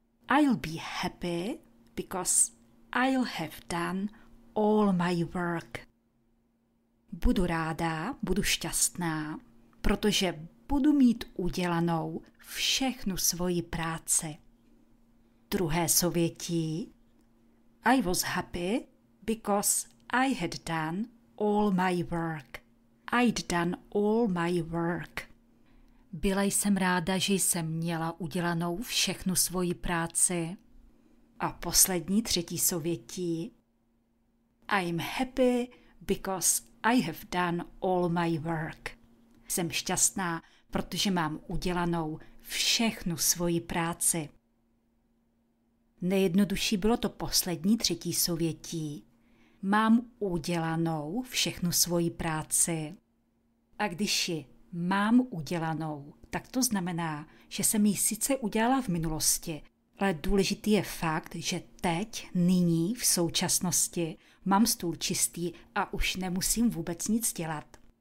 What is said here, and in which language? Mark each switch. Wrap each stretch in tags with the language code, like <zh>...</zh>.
<en>I'll be happy because I'll have done all my work.</en> <cs>Budu ráda, budu šťastná, protože budu mít udělanou všechnu svoji práci. Druhé souvětí.</cs> <en>I was happy because I had done all my work. I'd done all my work.</en> <cs>Byla jsem ráda, že jsem měla udělanou všechnu svoji práci. A poslední 3. souvětí.</cs> <en>I'm happy because I have done all my work.</en> <cs>Jsem šťastná, protože mám udělanou všechnu svoji práci. Nejjednodušší bylo to poslední 3. souvětí. Mám udělanou všechnu svoji práci. A když ji mám udělanou, tak to znamená, že jsem ji sice udělala v minulosti, ale důležitý je fakt, že teď, nyní, v současnosti, mám stůl čistý a už nemusím vůbec nic dělat.</cs>